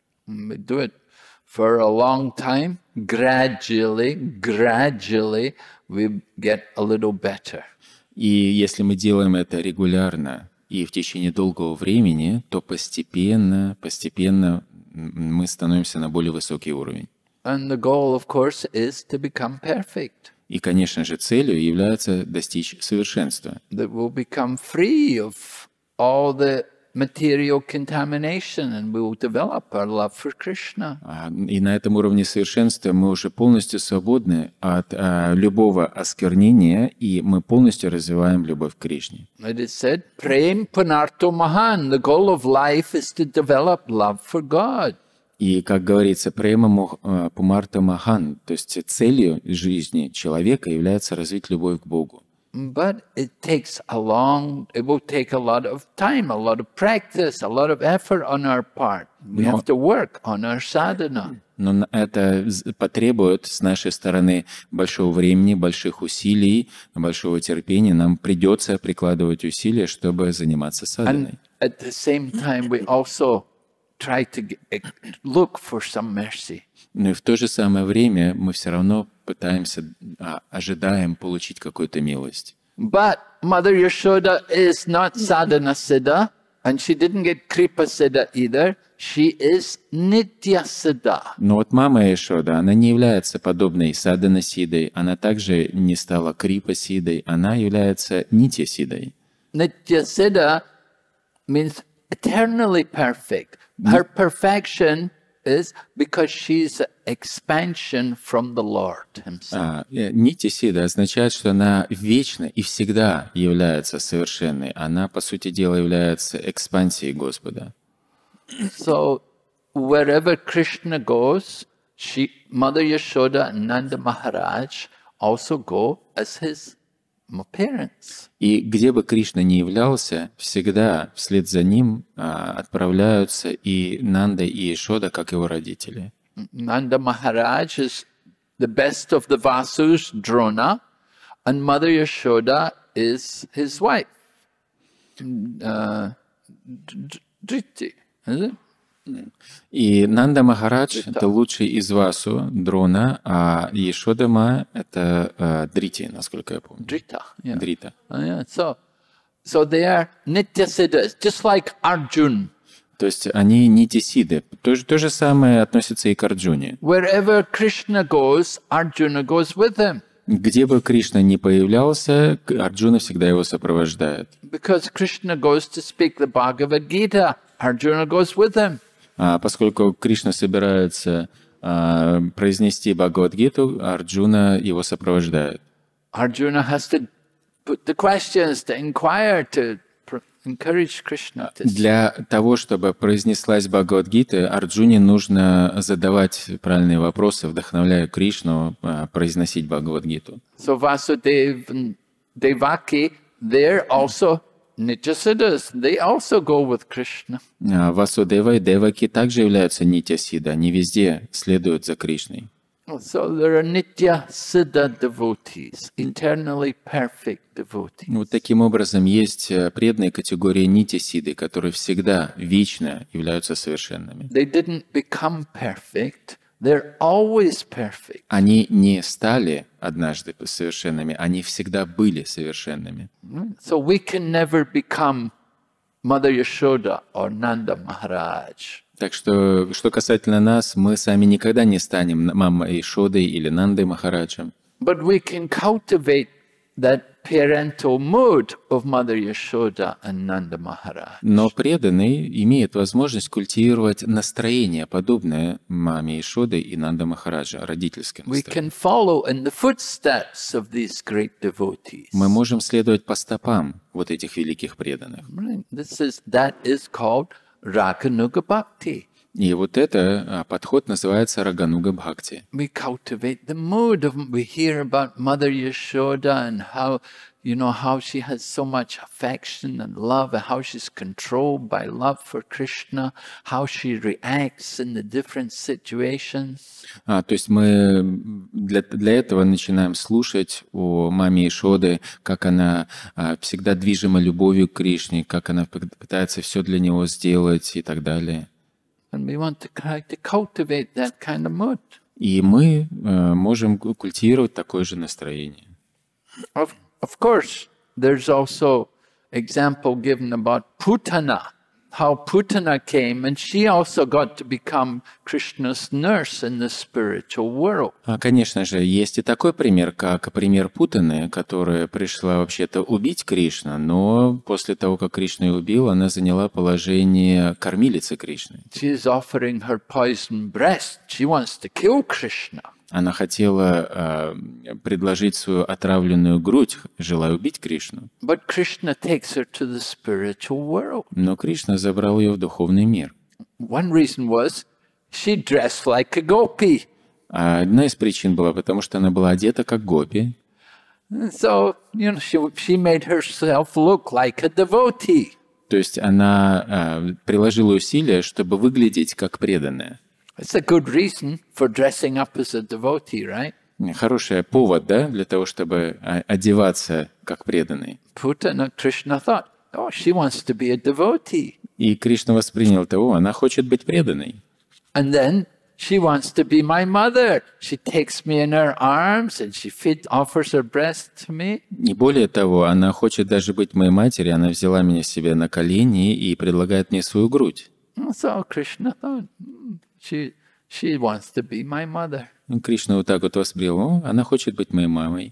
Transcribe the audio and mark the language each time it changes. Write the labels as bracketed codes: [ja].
[en] We do it for a long time, gradually. We get a little better. [ru] И если мы делаем это регулярно и в течение долгого времени, то постепенно мы становимся на более высокий уровень. [en] And the goal, of course, is to become perfect. [ru] И, конечно же, целью является достичь совершенства. [en] That we'll become free of all the material contamination, and we will develop our love for Krishna. [ru] И на этом уровне совершенства мы уже полностью свободны от любого осквернения, и мы полностью развиваем любовь к Кришне. [en] It is said, "Prem punarto mahan." The goal of life is to develop love for God. [ru] И как говорится, "Prema punarto mahan," то есть целью жизни человека является развить любовь к Богу. [en] But it takes a long, it will take a lot of time, a lot of practice, a lot of effort on our part. We have to work on our sadhana. [ru] Но это потребует с нашей стороны большого времени, больших усилий, большого терпения. Нам придется прикладывать усилия, чтобы заниматься садханой. [en] And at the same time, we also try to look for some mercy. [ru] Но и в то же самое время мы все равно пытаемся, ожидаем получить какую-то милость. [en] But Mother Yashoda is not sadhana siddha, and she didn't get kripa siddha either. She is nitya siddha. [ru] Но вот мама Яшода, она не является подобной садхана сиддой, она также не стала крипа сиддой, она является нитья сиддой. [en] Nitya siddha means eternally perfect. Her perfection is because she's an expansion from the Lord himself. [ru] Нити Сида означает, что она вечно и всегда является совершенной. Она, по сути дела, является экспансией Господа. [en] So, wherever Krishna goes, she, Mother Yashoda and Nanda Maharaj also go as his parents. [ru] И где бы Кришна ни являлся, всегда вслед за ним отправляются и Нанда и Яшода, как его родители. [en] Nanda Maharaj is the best of the Vasus, Drona, and Mother Yashoda is his wife, Dhriti, is it? [ru] И Нанда Махарадж — это лучший из Васу, Дрона, а Яшода Ма — это Дрити, насколько я помню. Дрита. Yeah. Дрита. [en] So they are Nityasiddhas, just like Arjun. [ru] То есть они Нитисиды. То же самое относится и к Арджуне. [en] Wherever Krishna goes, Arjuna goes with him. [ru] Где бы Кришна ни появлялся, Арджуна всегда его сопровождает. [en] Because Krishna goes to speak the Bhagavad Gita. Arjuna goes with him. [ru] Поскольку Кришна собирается произнести Бхагавад-гиту, Арджуна его сопровождает. [en] Arjuna has to put the questions, to inquire, to encourage Krishna. [ru] Для того, чтобы произнеслась Бхагавад-гита, Арджуне нужно задавать правильные вопросы, вдохновляя Кришну произносить Бхагавад-гиту. [en] So Vasudev and Devaki, they're also Nityasiddhas, they also go with Krishna. [ru] Васудева и Деваки также являются Нитясида. Они везде следуют за Кришной. [en] So there are Nityasiddha devotees, internally perfect devotees. [ru] Вот таким образом есть преданные категории Нитясиды, которые всегда, вечно являются совершенными. [en] They didn't become perfect. They're always perfect. [ru] Они не стали однажды совершенными, они всегда были совершенными. [en] So we can never become Mother Yashoda or Nanda Maharaj. [ru] Так что, что касательно нас, мы сами никогда не станем мамой Яшодой или Нандой Махараджем. [en] But we can cultivate that parental mood of Mother Yashoda and Nanda Maharaj. [ru] Но преданный имеет возможность культивировать настроение, подобное маме Яшоды и Нанда Махараджа, родительским настроением. [en] We can follow in the footsteps of these great devotees. [ru] Мы можем следовать по стопам вот этих великих преданных. [en] That is called Рагануга Бхакти. [ru] И вот это подход называется Рагануга Бхакти. [en] We cultivate the mood of, we hear about Mother Yashoda and how, you know, how she has so much affection and love, and how she's controlled by love for Krishna, how she reacts in the different situations. [ru] То есть мы для этого начинаем слушать о маме Яшоды, как она всегда движима любовью к Кришне, как она пытается все для него сделать и так далее. [en] And we want to try to cultivate that kind of mood. [ru] И мы можем культивировать такое же настроение. [en] Of course, there's also example given about Putana, how Putana came, and she also got to become Krishna's nurse in the spiritual world. [ru] Конечно же, есть и такой пример, как пример Путаны, которая пришла вообще-то убить Кришну, но после того, как Кришну ее убил, она заняла положение кормилицы Кришны. [en] She is offering her poisoned breast. She wants to kill Krishna. [ru] Она хотела предложить свою отравленную грудь, желая убить Кришну. [en] But Krishna takes her to the spiritual world. [ru] Но Кришна забрал ее в духовный мир. [en] One reason was she dressed like a gopi. [ru] Одна из причин была, потому что она была одета как гопи. [en] So, you know, she made herself look like a devotee. [ru] То есть она приложила усилия, чтобы выглядеть как преданная. [en] It's a good reason for dressing up as a devotee, right? [ru] Хороший повод, да, для того, чтобы одеваться как преданный. [en] Putana, Krishna thought, oh, she wants to be a devotee. [ru] И Кришна воспринял того, она хочет быть преданной. [en] And then she wants to be my mother. She takes me in her arms and she offers her breast to me. [ru] Не более того, она хочет даже быть моей матерью. Она взяла меня себе на колени и предлагает мне свою грудь. [en] So Krishna thought. She wants to be my mother. [ru] Кришна вот так вот воспринял, она хочет быть моей мамой.